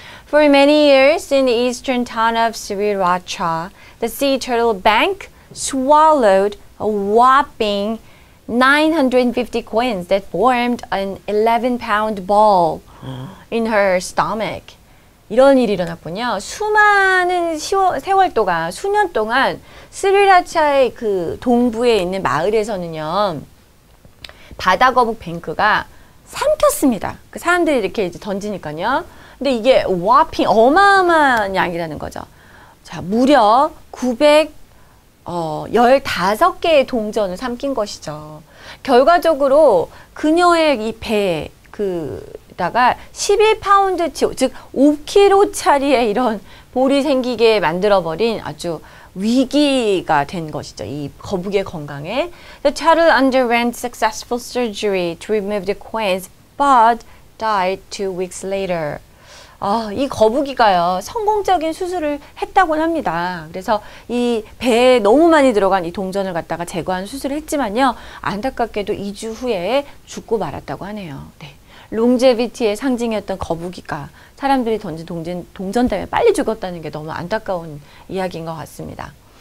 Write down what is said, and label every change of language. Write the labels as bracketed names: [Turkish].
[English] For many years in the eastern town of Sriracha, the sea turtle bank swallowed a whopping 950 coins that formed an 11-pound ball in her stomach. [Korean] 이런 일이 일어났군요. 수많은 세월 동안, 수년 동안 스리라차의 그 동부에 있는 마을에서는요. 바다 거북 뱅크가 삼켰습니다. 그 사람들이 이렇게 이제 던지니까요. 근데 이게 와핑 어마어마한 양이라는 거죠. 자, 무려 915개의 동전을 삼킨 것이죠. 결과적으로 그녀의 이 배 그다가 11파운드치 즉 5kg짜리의 이런 볼이 생기게 만들어버린 아주 위기가 된 것이죠. 이 거북의 건강에 [English] The turtle underwent successful surgery to remove the coins but died 2 weeks later. [Korean] 이 거북이가요 성공적인 수술을 했다고 합니다. 그래서 이 배에 너무 많이 들어간 이 동전을 갖다가 제거한 수술을 했지만요 안타깝게도 2주 후에 죽고 말았다고 하네요. 네. 롱제비티의 상징이었던 거북이가 사람들이 던진 동전 때문에 빨리 죽었다는 게 너무 안타까운 이야기인 것 같습니다.